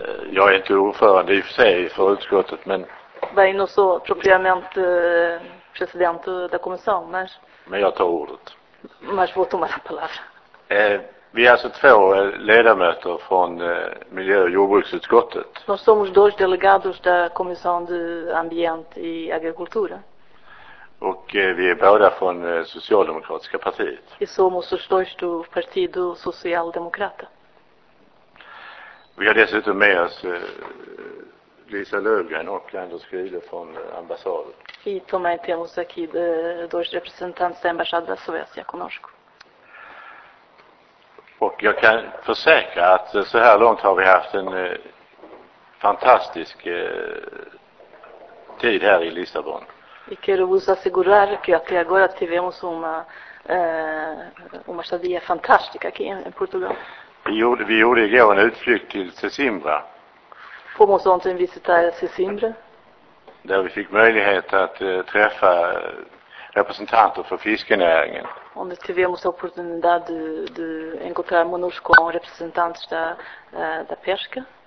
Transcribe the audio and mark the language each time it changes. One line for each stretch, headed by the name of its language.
Swedish: Jag är inte ordförande i och för sig för utskottet, men
Portuguese: bem, não sou propriamente presidente da comissão, mas
Swedish: jag tar ordet.
Portuguese: Mas vou tomar a palavra.
Swedish: Vi är alltså två ledamöter från miljö- och jordbruksutskottet.
Portuguese: Nós somos dois delegados da Comissão de Ambiente e Agricultura.
Swedish: Och vi är båda från Socialdemokratiska partiet.
Portuguese: E somos os dois do Partido Socialdemokrata.
Swedish: Vi har dessutom med oss Lisa Löfgren och Anders Gryde från ambassaden.
Portuguese: E também temos aqui dois representantes da Embaixada Suécia conosco.
Swedish: Och jag kan försäkra att så här långt har vi haft en fantastisk tid här i Lissabon.
Portuguese: E quero vos assegurar que até agora tivemos uma estadia fantástica aqui em Portugal.
Swedish: Vi gjorde igår en utflykt till Sesimbra.
Portuguese: Fomos ontem visitar Sesimbra.
Swedish: Där vi fick möjlighet att träffa representanter för fiskenäringen.
Portuguese: Onde tivemos a oportunidade de encontrarmos com representantes da pesca.